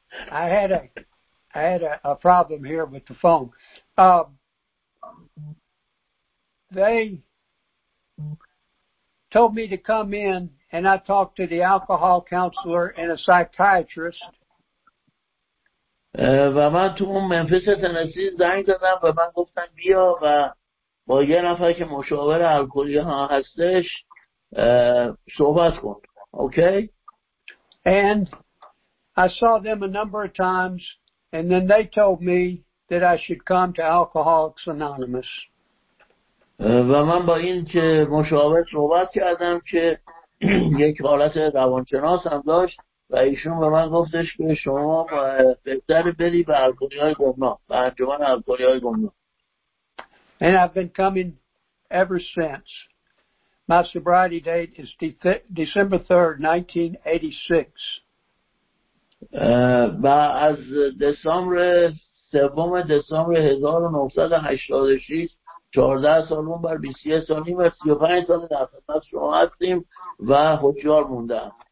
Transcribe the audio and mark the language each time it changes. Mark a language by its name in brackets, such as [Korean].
[English] I had a problem here with the phone. They told me to come in, and I talked to the alcohol counselor and a psychiatrist. [Persian] و من تو اون منفیس تنسی زنگ زدم و من گفتم بیا و با یه نفر که مشاور الکلی ها هستش صحبت کن. [English] Okay? And I saw them a number of times and then they told me that I should come to Alcoholics Anonymous. [Persian] و من با این که مشاور صحبت کردم که یک حالت روانشناس هم داشت و ایشون به من گفتش که شما بهتر بری به الکلی‌های گمنام، به انجمن الکلی‌های گمنام. [English] And I've been coming ever since. My sobriety date is December 3rd, 1986. [Persian] و از [English] December 3rd, 1986 [Persian] 14 سال اون بر 23 سال این و 35 سال در خدمت شما هستیم و هوشیار موندم.